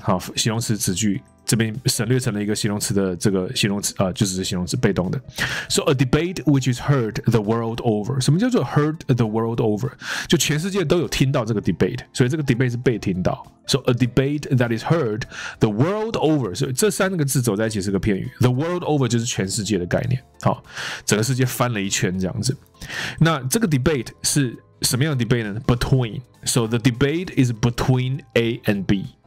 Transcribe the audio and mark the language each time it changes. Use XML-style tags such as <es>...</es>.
<zh>好，形容词子句这边省略成了一个形容词的这个形容词啊、就是形容词被动的。</zh> <en>So a debate which is heard the world over。</en> <zh>什么叫做</zh> <en>heard the world over？</en> <zh>就全世界都有听到这个 debate， 所以这个 debate 是被听到。</zh> <en>So a debate that is heard the world over。</en> <zh>所以这三个字走在一起是个片语 ，</zh> <en>the world over</en> <zh>就是全世界的概念。好，整个世界翻了一圈这样子。那这个 debate 是什么样的 debate 呢 ？Between。</zh> <en>So the debate is between A and B。</en>